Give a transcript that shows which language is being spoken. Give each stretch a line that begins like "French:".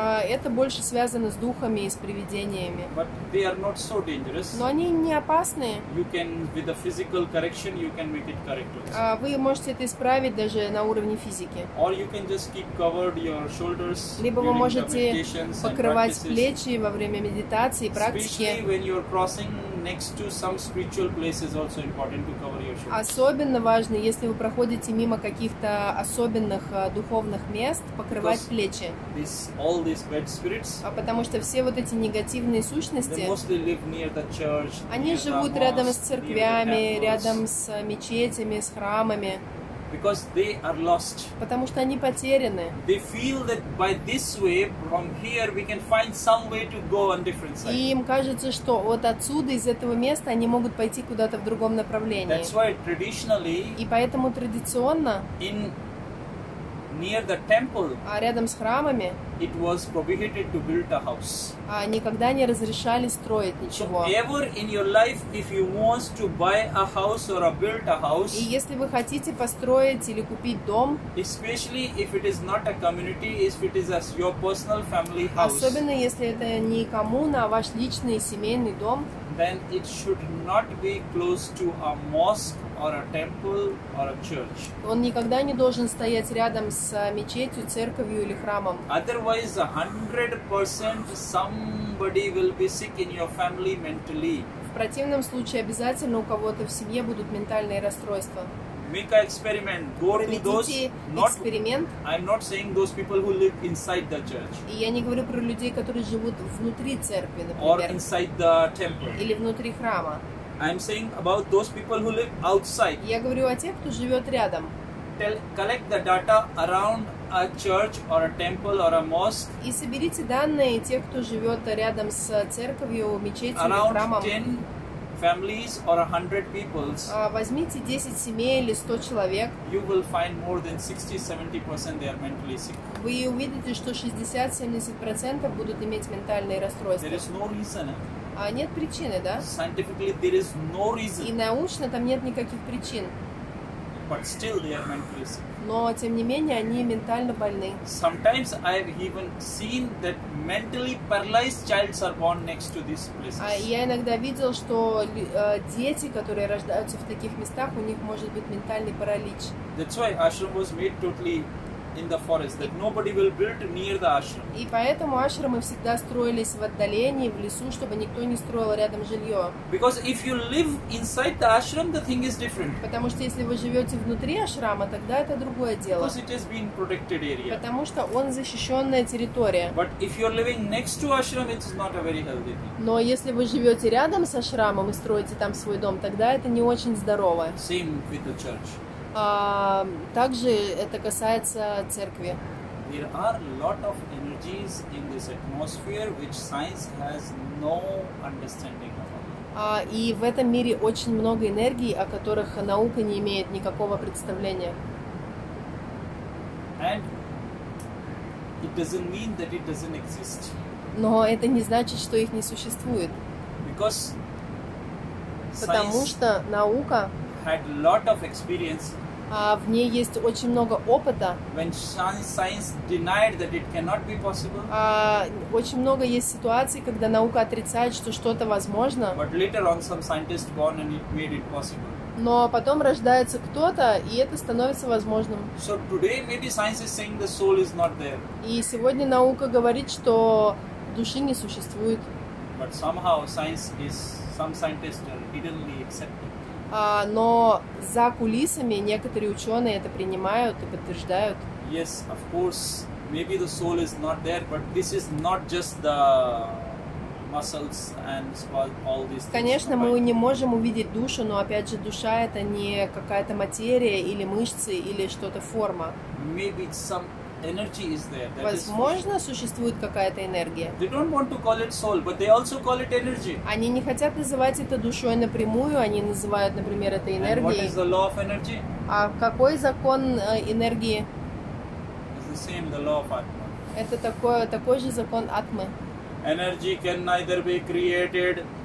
Russian: Это больше связано с духами и с привидениями.
English: But they are not so dangerous.
Russian: Но они не опасны.
English: You can, with a physical correction, you can make it correct also.
Russian: Вы можете это исправить даже на уровне физики.
English: Or you can just keep covered your shoulders.
Russian: Либо вы можете покрывать плечи во время медитации и практики.
English: Especially when you're crossing next to some spiritual places, also important to cover your shoulders.
Russian: Особенно важно, если вы проходите мимо каких-то особенных духовных мест, покрывать
English: Because
Russian: плечи.
English: This, all these bad spirits,
Russian: а потому что все вот эти негативные сущности,
English: they mostly live near the church,
Russian: они
English: near
Russian: живут
English: the
Russian: рядом с церквями, рядом с мечетями, с храмами.
English: Because they are lost.
Russian: Потому что они потеряны.
English: They feel that by this way, from here, we can find some way to go on different side.
Russian: И им кажется, что вот отсюда, из этого места, они могут пойти куда-то в другом направлении.
English: That's why traditionally.
Russian: И поэтому традиционно.
English: In near the temple.
Russian: А рядом с храмами.
English: It was prohibited to build a house.
Russian: А никогда не разрешали строить ничего.
English: So ever in your life, if you want to buy a house or a build a house.
Russian: И если вы хотите построить или купить дом.
English: Especially if it is not a community, if it is as your personal family house.
Russian: Особенно если это не коммуна, а ваш личный семейный дом.
English: Then it should not be close to a mosque or a temple or a church.
Russian: Он никогда не должен стоять рядом с мечетью, церковью или храмом.
English: Otherwise, 100% somebody will be sick in your family mentally.
Russian: В противном случае обязательно у кого-то в семье будут ментальные расстройства.
English: Make an experiment. Go
Russian: Проведите
English: to those.
Russian: Not, эксперимент.
English: I'm not saying those people who live inside the church.
Russian: И я не говорю про людей, которые живут внутри церкви, например.
English: Or inside the temple.
Russian: Или внутри храма.
English: I'm saying about those people who live outside.
Russian: Я говорю о тех, кто живет рядом.
English: Collect the data around a church or a temple or a mosque.
Russian: И соберите данные тех, кто живет рядом с церковью, мечетью,
English: around
Russian: храмом.
English: Around 10 families or 100 people.
Russian: Возьмите 10 семей или 100 человек.
English: You will find more than 60-70% they are mentally sick.
Russian: Вы увидите, что 60-70% будут иметь ментальные расстройства.
English: There is no reason.
Russian: А нет причины, да?
English: Scientifically, there is no reason.
Russian: И научно там нет никаких причин.
English: But still they are mentally sick.
Russian: Но тем не менее они ментально больны.
English: Sometimes I have even seen that mentally paralyzed child are born next to these places.
Russian: А я иногда видел, что дети, которые рождаются в таких местах, у них может быть ментальный паралич.
English: That's why ashram was made totally in the forest, that nobody will build near the ashram.
Russian: И поэтому ашрамы всегда строились в отдалении, в лесу, чтобы никто не строил рядом жилье.
English: Because if you live inside the ashram, the thing is different.
Russian: Потому что если вы живете внутри ашрама, тогда это другое дело.
English: Because it has been protected area.
Russian: Потому что он защищенная территория.
English: But if you're living next to ashram, it's not a very healthy thing.
Russian: Но если вы живете рядом с ашрамом и строите там свой дом, тогда это не очень здорово.
English: Same with the church.
Russian: Также это касается церкви.
English: There are a lot of energies in this atmosphere which science has no understanding of.
Russian: И в этом мире очень много энергий, о которых наука не имеет никакого представления.
English: And it doesn't mean that it doesn't exist.
Russian: Но это не значит, что их не существует.
English: Because
Russian: потому что наука
English: had a lot of experience.
Russian: В ней есть очень много опыта.
English: When science denied that it cannot be possible.
Russian: Очень много есть ситуаций, когда наука отрицает, что что-то возможно.
English: But later on some scientist born and it made it possible.
Russian: Но потом рождается кто-то, и это становится возможным.
English: So today maybe science is saying the soul is not there.
Russian: И сегодня наука говорит, что души не существует.
English: But somehow science is, some scientists are hiddenly accepting.
Russian: Но за кулисами некоторые ученые это принимают и подтверждают.
English: Yes, of course, maybe the soul is not there, but this is not just the muscles and all these things.
Russian: Конечно, мы не можем увидеть душу, но опять же, душа это не какая-то материя или мышцы или что-то форма.
English: Maybe some energy is there. That
Russian: возможно,
English: is
Russian: существует какая-то энергия.
English: They don't want to call it soul, but they also call it energy.
Russian: Они не хотят называть это душой напрямую, они называют, например, это энергией.
English: And what is the law of energy?
Russian: А какой закон энергии?
English: It's the same, the law of Atma.
Russian: Это такой же закон Атмы.
English: Energy can neither be created.